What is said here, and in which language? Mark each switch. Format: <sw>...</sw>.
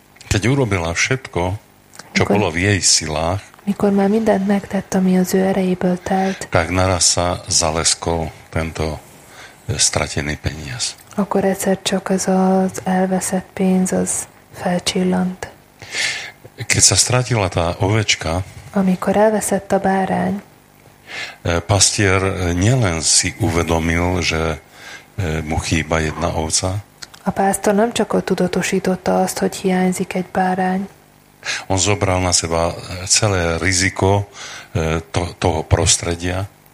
<sk>Keď urobila všetko, čo bolo v jej silách,</sk> <hu>mikor már mindent megtett, ami az ő erejéből telt,</hu> <sk>tak naraz sa zaleskol tento stratený peniaz.</sk> <hu>Akkor egyszer csak ez az elveszett pénz, az felcsillant.</hu> <sk>Keď sa stratila tá ovečka,</sk> <hu>amikor elveszett a bárány,</hu> <sk>pastier nielen si uvedomil, že mu chýba jedna ovca,</sk> <hu>a pásztor nem csak tudatosította azt, hogy hiányzik egy bárány,</hu> <sk>on zobral na seba celé riziko toho prostredia,</sk>